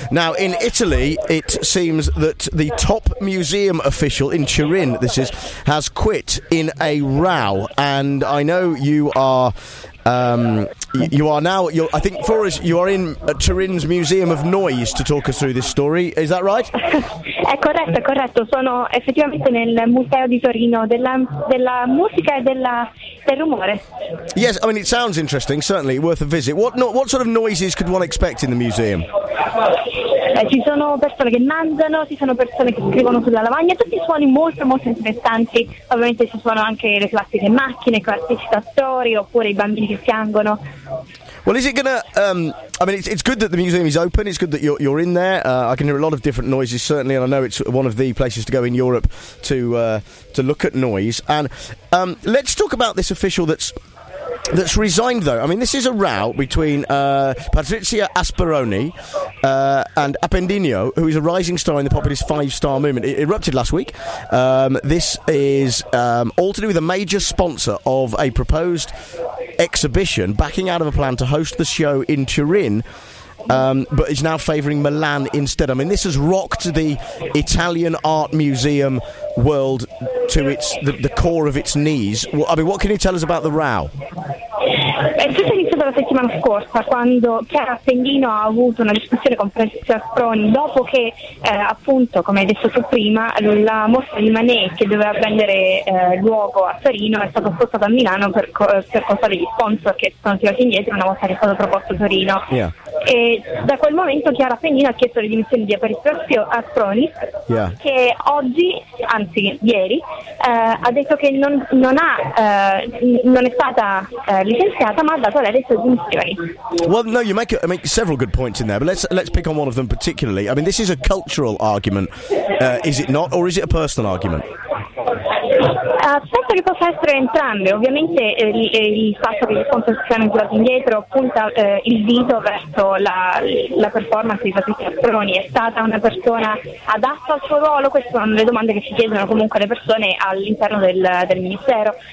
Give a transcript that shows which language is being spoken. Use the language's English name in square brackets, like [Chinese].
[English] Now, in Italy, it seems that the top museum official in Turin, this is, has quit in a row. And I know you are... You are in Turin's Museum of Noise to talk us through this story, is that right? [Italian] È corretto, sono effettivamente nel Museo di Torino della musica e del rumore. [English] Yes, I mean it sounds interesting, certainly worth a visit. What sort of noises could one expect in the museum? [Italian] Ci sono persone che mangiano, ci sono persone che scrivono sulla lavagna, tutti suoni molto molto interessanti. Ovviamente ci sono anche le classiche macchine, i classici attori, oppure i bambini che piangono. [English] Well, is it gonna? I mean, it's good that the museum is open. It's good that you're in there. I can hear a lot of different noises, certainly, and I know it's one of the places to go in Europe to look at noise. And let's talk about this official that's resigned, though. I mean, this is a row between Patrizia Asperoni and Appendino, who is a rising star in the populist five-star movement. It erupted last week. This is all to do with a major sponsor of a proposed exhibition backing out of a plan to host the show in Turin, but is now favouring Milan instead. I mean, this has rocked the Italian art museum world to the core of its knees. I mean, what can you tell us about the row? [Italian] Tutto è iniziato la settimana scorsa quando Chiara Appendino ha avuto una discussione con Francesco Asproni dopo che appunto, come hai detto tu prima, la mostra di Manet che doveva prendere luogo a Torino è stata spostata a Milano per colpa degli sponsor che sono tirati indietro una volta che è stato proposto Torino. [English] Yeah. [Italian] E da quel momento Chiara Appendino ha chiesto le dimissioni di Aperizio Asproni. [English] Yeah. [Italian] Che oggi, anzi ieri, ha detto che non è stata licenziata, ma ha dato lei le sue dimissioni. [English] Well, no, you make several good points in there, but let's pick on one of them particularly. I mean, this is a cultural argument, is it not, or is it a personal argument? [Italian] Penso che possa essere entrambe. Ovviamente il fatto che il sponsor sia andato indietro punta il dito verso la performance di Patrizia Asperoni. È stata una persona adatta al suo ruolo? Queste sono le domande che si chiedono comunque le persone all'interno del ministero.